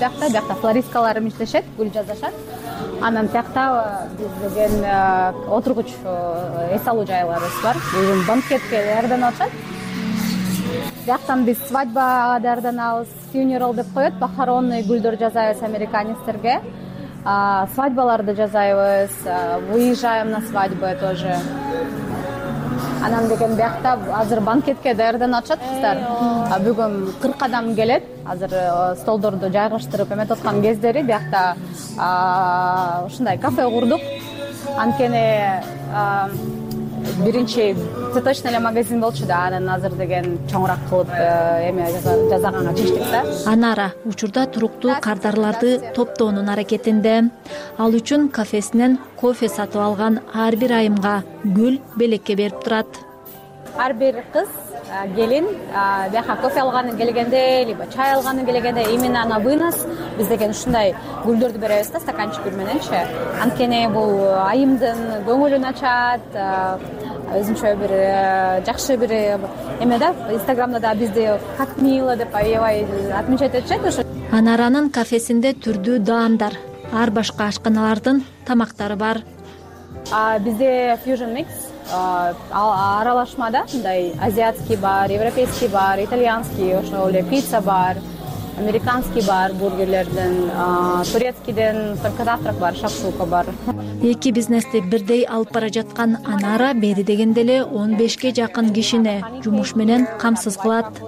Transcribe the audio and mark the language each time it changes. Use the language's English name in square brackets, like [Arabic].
[Kyrgyz] Биякта флористкаларым иштешет, гүл жасашат. Анан биякта биз деген отургуч эс алуу жайларыбыз бар. Бүгүн банкетке даярданып атат. Бияктан биз свадьбага даярданабыз. Funeral деп коет, похоронный гүлдөр жасайбыз американистерге. Свадьбаларды жасайбыз, [Russian] выезжаем на свадьбы тоже. [Kyrgyz] Анан деген биякта азыр банкетке даярданып атышат кыздар. Бүгүн 40 адам келет. Азыр столдорду жайгаштырып эметип аткан кездери биякта ушундай кафе курдук. Анткени биринчи цветочный эле магазин болчу да, анан азыр деген чоңураак кылып эме жасаганга чечтик да. Анара учурда туруктуу кардарларды топтоонун аракетинде. Ал үчүн кафесинен кофе сатып алган ар бир айымга гүл белекке берип турат. Ар бир кыз келин бияка кофе алганы келгенде, [Russian] либо [Kyrgyz] чай алганы келгенде [Russian] именно на вынос [Kyrgyz] биз деген ушундай гүлдөрдү беребиз да, стаканчиктер мененчи. Анткени бул айымдын көңүлүн ачат, өзүнчө бир жакшы бир эме да. Инстаграмда да бизди [Russian] как мило [Kyrgyz] деп аябай [Russian] отмечать [Kyrgyz] этишет. Ушу Анаранын кафесинде түрдүү даамдар, ар башка ашканалардын тамактары бар. Бизде [English] fusion mix [Kyrgyz] аралашма да, мындай азиатский бар, европейский бар, итальянский, ошол эле пицца бар, американский бар, бургерлерден, турецкийден [Russian] только завтрак [Kyrgyz] бар, шапшука бар. Эки бизнести бирдей алып бара жаткан Анара бери дегенде эле 15ге жакын кишини жумуш менен камсыз кылат.